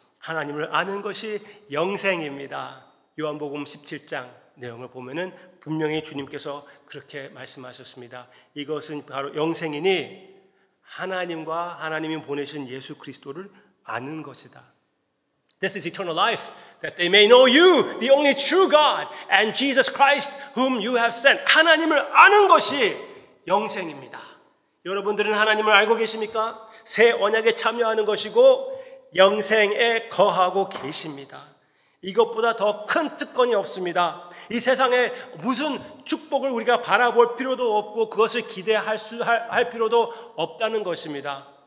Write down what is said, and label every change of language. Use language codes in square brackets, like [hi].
[ko] 하나님을 아는 것이 영생입니다. 요한복음 17장 내용을 보면은 분명히 주님께서 그렇게 말씀하셨습니다. 이것은 바로 영생이니 하나님과 하나님이 보내신 예수 그리스도를 아는 것이다. [en] This is eternal life, that they may know you, the only true God, and Jesus Christ, whom you have sent. [ko] 하나님을 아는 것이 영생입니다. 여러분들은 하나님을 알고 계십니까? 새 언약에 참여하는 것이고 영생에 거하고 계십니다. 이것보다 더 큰 특권이 없습니다. 이 세상에 무슨 축복을 우리가 바라볼 필요도 없고 그것을 기대할 할 필요도 없다는 것입니다.